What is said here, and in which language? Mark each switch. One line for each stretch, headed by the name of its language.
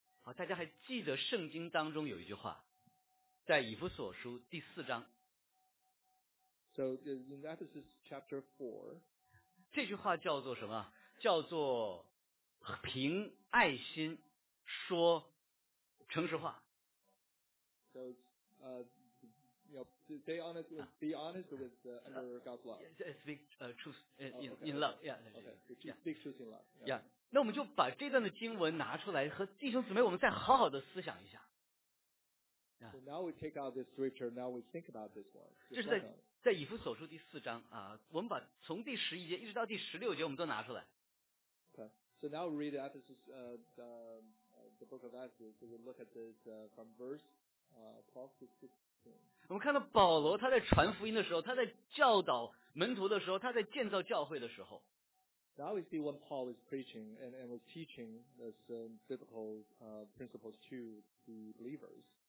Chinese: 好，大家还记得圣经当中有一句话，在以弗所书第四章。
English: So in Ephesians chapter 4,
Chinese: 这句话叫做什么？叫做凭爱心说诚实话。
English: So, You know, stay honest with, be honest with under God's love. Speak truth in love. Yeah. Okay. Speak truth in love. Yeah.
Chinese: 那我们就把这段的经文拿出来和弟兄姊妹，我们再好好的思想一下。
English: So now we take out this scripture. Now we think about this one.
Chinese: 这是在以弗所书第四章啊，我们把从第十一节一直到第十六节，我们都拿出来。
English: Okay. So now we read Ephesians, the book of Ephesians. So we look at this from verse 12 to 16.
Chinese: 我们看到保罗他在传福音的时候，他在教导门徒的时候，他在建造教会的时候。
English: Now we see when Paul is preaching and was teaching this biblical principles to the believers.